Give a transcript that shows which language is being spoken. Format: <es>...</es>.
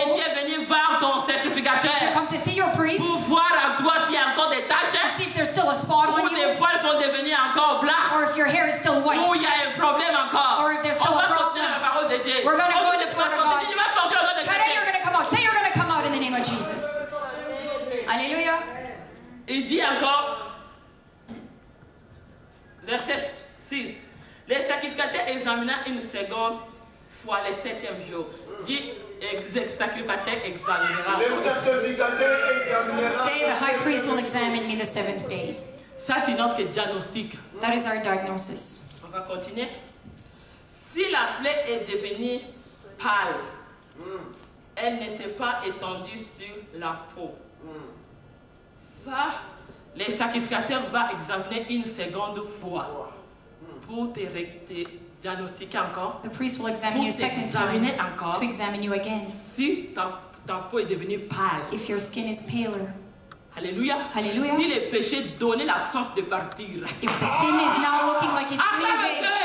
<fr>Et que Dieu est venu voir ton sacrificateur.</fr> <en>Did you come to see your priest?</en> <fr>Pour voir à toi s'il y a encore des taches.</fr> <en>To see if there's still a spot on you.</en> <fr>Ou tes poils sont devenus encore blancs.</fr> <en>Or if your hair is still white.</en> <fr>Ou il y a un problème encore.</fr> <en>Or if there's still a problem.</en> <fr>On va continuer la parole de Dieu.</fr> <en>We're going to go in the word of God. Say you're going to come out in the name of Jesus. Alléluia.</en> <fr>Il dit encore, verset 6, les sacrificateurs examinent une seconde fois le septième jour. Dit, sacrificateur examinera.</fr> <en>Say the high priest will examine me the seventh day.</en> <fr>Ça, c'est notre diagnostic.</fr> <en>That is our diagnosis.</en> <fr>On va continuer. Si la plaie est devenue pâle, elle ne s'est pas étendue sur la peau. Mm. Ça, le sacrificateur va examiner une seconde fois pour te diagnostiquer encore.</fr> <en>The priest will examine you a second time to examine you again.</en> <fr>Si ta peau est devenue pâle.</fr> <en>If your skin is paler. Alléluia. Alléluia.</en> <fr>Si le péché donnait la chance de partir.</fr> <en>If the sin is now looking like it's leaving.</en>